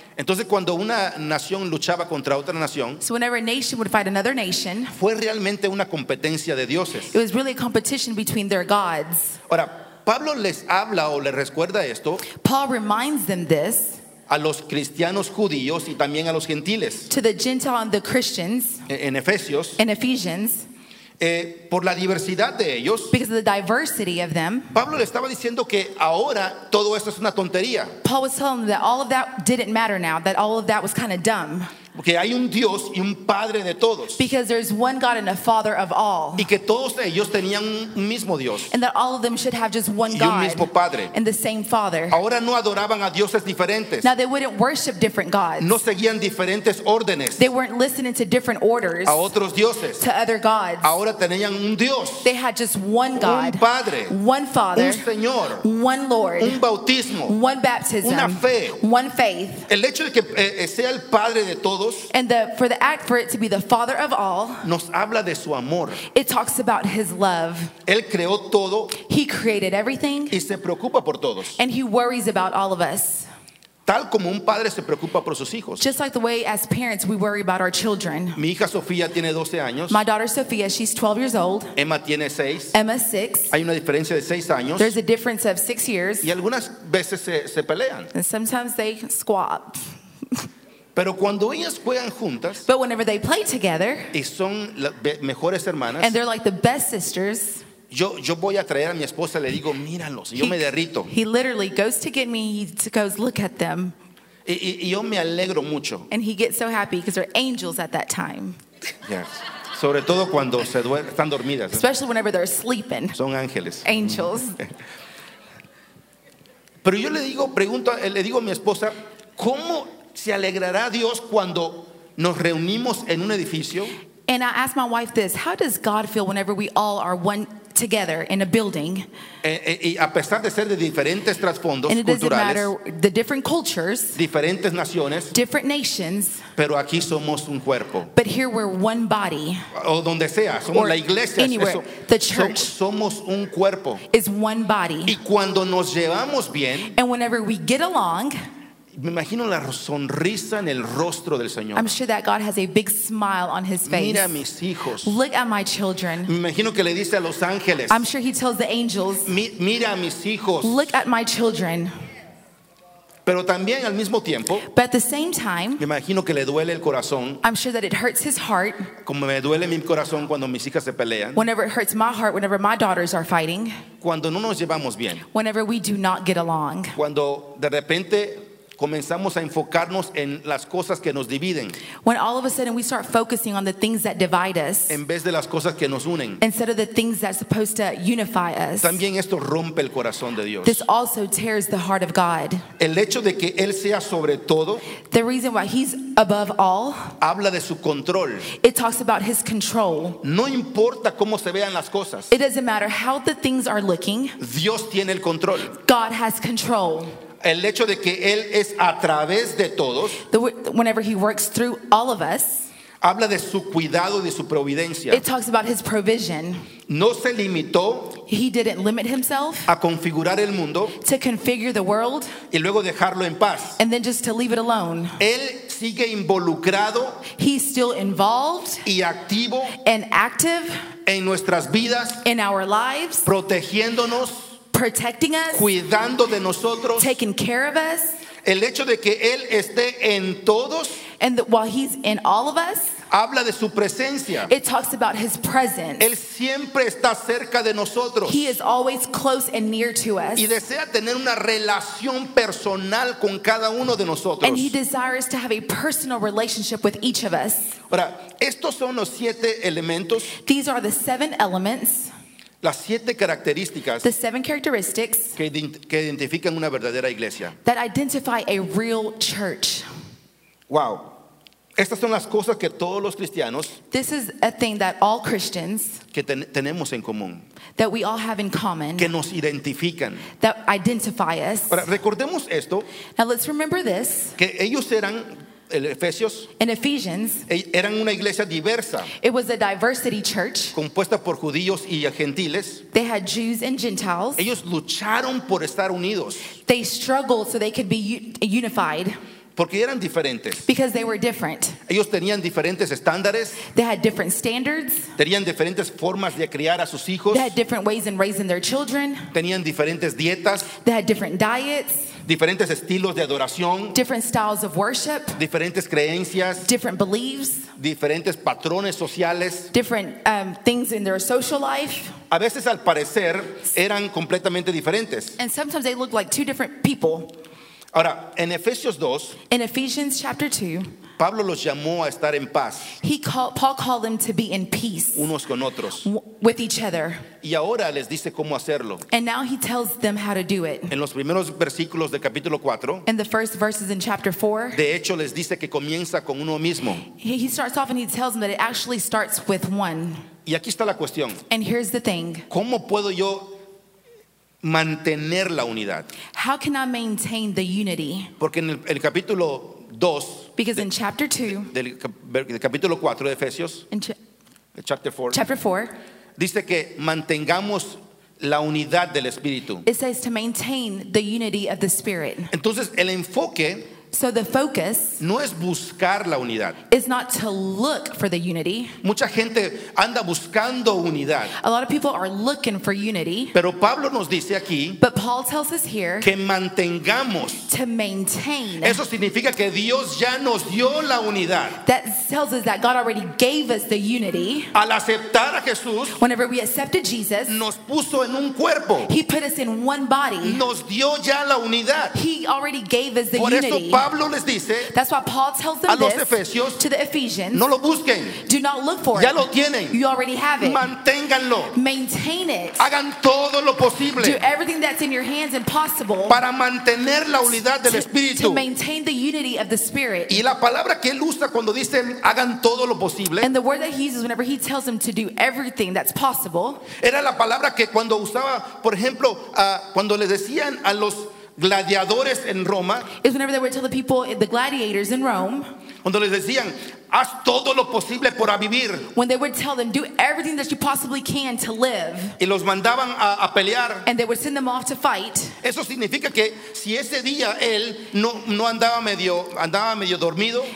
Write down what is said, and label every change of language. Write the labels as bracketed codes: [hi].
[es] Entonces, cuando una nación luchaba contra otra nación, [en] so whenever a nation would fight another nation, [es] fue realmente una competencia de dioses. [en] It was really a competition between their gods. [es] Ahora, Pablo les habla o les recuerda esto. [en] Paul reminds them this. [es] A los cristianos judíos y también a los gentiles. [en] To the Gentile and the Christians. [es] En Efesios. [en] In Ephesians. [es] Por la diversidad de ellos. [en] Because of the diversity of them. [es] Pablo le estaba diciendo que ahora todo esto es una tontería. [en] Paul was telling them that all of that didn't matter now. That all of that was kind of dumb. [es] Porque hay un Dios y un Padre de todos. [en] Because there's one God and a Father of all. [es] Y que todos ellos tenían un mismo Dios. [en] And that all of them should have just one [es] God. Y un mismo Padre. [en] And the same Father. [es] Ahora no adoraban a dioses diferentes. [en] Now they wouldn't worship different gods. [es] No seguían diferentes órdenes. [en] They weren't listening to different orders. [es] A otros dioses. [en] To other gods. [es] Ahora tenían un Dios. [en] They had just one God. [es] Un Padre. [en] One Father. [es] Un Señor. [en] One Lord. [es] Un bautismo. [en] One baptism. [es] Una fe. [en] One faith. [es] El hecho de que sea el Padre de todos. [en] And the, for the act for it to be the Father of all, [es] nos habla de su amor. [en] It talks about his love. [es] Él creó todo, [en] he created everything, [es] y se preocupa por todos. [en] And he worries about all of us. [es] Tal como un padre se preocupa por sus hijos. [en] Just like the way as parents we worry about our children. [es] Mi hija Sofía tiene 12 años. [en] My daughter Sophia, she's 12 years old. [es] Emma tiene 6. [en] Emma 6. [es] Hay una diferencia de 6 años. [en] There's a difference of 6 years. [es] Y algunas veces se pelean. [en] And sometimes they squab. [es] Pero cuando ellas juegan juntas, [en] but whenever they play together, [es] y son mejores hermanas, [en] and they're like the best sisters, [es] yo voy a traer a mi esposa, le digo, míralos, yo me derrito. [en] He literally goes to get me, he goes, look at them. [es] Y yo me alegro mucho. [en] And he gets so happy because they're angels at that time. Yes. [es] Sobre todo cuando se están dormidas. [en] Especially whenever they're sleeping. [es] Son ángeles. [en] Angels. [es] Pero yo le digo, pregunto, le digo a mi esposa, ¿cómo se alegrará Dios cuando nos reunimos en un edificio? [en] And I asked my wife this, how does God feel whenever we all are one together in a building? [es] Y a pesar de ser de diferentes trasfondos [en] and it doesn't matter the different cultures, [es] diferentes naciones, [en] different nations, [es] pero aquí somos un cuerpo. [en] But here we're one body. [es] O donde sea, somos la iglesia, [en] anywhere, [es] eso, [en] the church [es] somos un cuerpo. [en] Is one body. [es] Y cuando nos llevamos bien, [en] and whenever we get along, [es] me imagino la sonrisa en el rostro del Señor. [en] I'm sure that God has a big smile on his face. [es] Mira a mis hijos. [en] Look at my children. [es] Me imagino que le dice a los ángeles. [en] I'm sure he tells the angels. [es] Mira a mis hijos. [en] Look at my children. [es] Pero también al mismo tiempo, [en] but at the same time, [es] me imagino que le duele el corazón. [en] I'm sure that it hurts his heart. [es] Como me duele mi corazón cuando mis hijas se pelean. [en] Whenever it hurts my heart, whenever my daughters are fighting. [es] Cuando no nos llevamos bien. [en] Whenever we do not get along. [es] Cuando de repente comenzamos a enfocarnos en las cosas que nos dividen. [en] When all of a sudden we start focusing on the things that divide us. [es] En vez de las cosas que nos unen. [en] Instead of the things that are supposed to unify us. [es] También esto rompe el corazón de Dios. [en] This also tears the heart of God. [es] El hecho de que Él sea sobre todo. [en] The reason why He's above all. [es] Habla de su control. [en] It talks about His control. [es] No importa cómo se vean las cosas. [en] It doesn't matter how the things are looking. [es] Dios tiene el control. [en] God has control. [es] El hecho de que Él es a través de todos. [en] Whenever He works through all of us. [es] Habla de su cuidado y de su providencia. [en] It talks about His provision. [es] No se limitó. [en] He didn't limit Himself. [es] A configurar el mundo. [en] To configure the world. [es] Y luego dejarlo en paz. [en] And then just to leave it alone. [es] Él sigue involucrado. [en] He's still involved. [es] Y activo. [en] And active. [es] En nuestras vidas. [en] In our lives. [es] Protegiéndonos. [en] Protecting us, [es] cuidando de nosotros, [en] taking care of us, [es] el hecho de que Él esté en todos, [en] and that while He's in all of us, [es] habla de su presencia. [en] It talks about His presence. [es] Él siempre está cerca de nosotros. [en] He is always close and near to us. [es] Y desea tener una relación personal con cada uno de nosotros. [en] And He desires to have a personal relationship with each of us. [es] Ahora, estos son los siete elementos. [en] These are the seven elements. [es] Las siete características, [en] the seven characteristics [es] que identifican una verdadera iglesia, [en] that identify a real church. Wow. [es] Estas son las cosas que todos los cristianos, [en] this is a thing that all Christians, [es] que tenemos en común, [en] that we all have in common, [es] que nos identifican, [en] that identify us. [es] Ahora, recordemos esto, [en] now let's remember this, [es] que ellos eran, [en] in Ephesians, [es] eran una iglesia diversa. [en] It was a diversity church. [es] Compuesta por judíos y gentiles. [en] They had Jews and Gentiles. [es] Ellos lucharon por estar unidos. [en] They struggled so they could be unified. [es] Porque eran diferentes. [en] Because they were different. [es] Ellos tenían diferentes estándares. [en] They had different standards. [es] Tenían diferentes formas de criar a sus hijos. [en] They had different ways in raising their children. [es] Tenían diferentes dietas. [en] They had different diets. [es] Diferentes estilos de adoración. [en] Different styles of worship. [es] Diferentes creencias. [en] Different beliefs. [es] Diferentes patrones sociales. [en] Different things in their social life. [es] A veces, al parecer, eran completamente diferentes. [en] And sometimes they looked like two different people. [es] Ahora, en Efesios 2, [en] in Ephesians chapter 2, [es] Pablo los llamó a estar en paz. [en] Paul called them to be in peace. [es] Unos con otros. [en] With each other. [es] Y ahora les dice cómo hacerlo. [en] And now he tells them how to do it. [es] En los primeros versículos de capítulo 4. [en] In the first verses in chapter 4. [es] De hecho, les dice que comienza con uno mismo. [en] He starts off and he tells them that it actually starts with one. [es] Y aquí está la cuestión. [en] And here's the thing. [es] ¿Cómo puedo yo mantener la unidad? [en] How can I maintain the unity? [es] Porque en el capítulo 2. [en] Because in chapter 2. [es] Del capítulo 4 de Efesios. [en] Chapter 4. [es] Dice que mantengamos la unidad del Espíritu. [en] It says to maintain the unity of the Spirit. [es] Entonces, el enfoque. [en] So the focus. [es] No es buscar la unidad. [en] Is not to look for the unity. [es] Mucha gente anda buscando unidad. [en] A lot of people are looking for unity. [es] Pero Pablo nos dice aquí. [en] But Paul tells us here. [es] Que mantengamos. [en] To maintain. [es] Eso significa que Dios ya nos dio la unidad. [en] That tells us that God already gave us the unity. [es] Al aceptar a Jesús. [en] Whenever we accepted Jesus. [es] Nos puso en un cuerpo. [en] He put us in one body. [es] Nos dio ya la unidad. [en] He already gave us the unity. [es] Pablo les dice, [en] that's why Paul tells them [es] a los [en] this [es] Efesios, [en] to the Ephesians, [es] no lo busquen. [en] Do not look for [es] ya [en] it. [es] Lo tienen. [en] You already have it. [es] Manténganlo. [en] Maintain it. [es] Hagan todo lo posible. [en] Do everything that's in your hands and possible [es] para mantener la unidad del Espíritu. [en] To maintain the unity of the Spirit. [es] Y la palabra que él usa cuando dice hagan todo lo posible, [en] and the word that he uses whenever he tells them to do everything that's possible, [es] era la palabra que cuando usaba, por ejemplo, cuando les decían a los gladiadores en Roma, [en] is whenever they would tell the people, the gladiators in Rome, [es] cuando les decían, haz todo lo posible para vivir, [en] when they would tell them, do everything that you possibly can to live, [es] y los mandaban a pelear, [en] and they would send them off to fight, [es] eso significa que si ese día él no andaba medio dormido,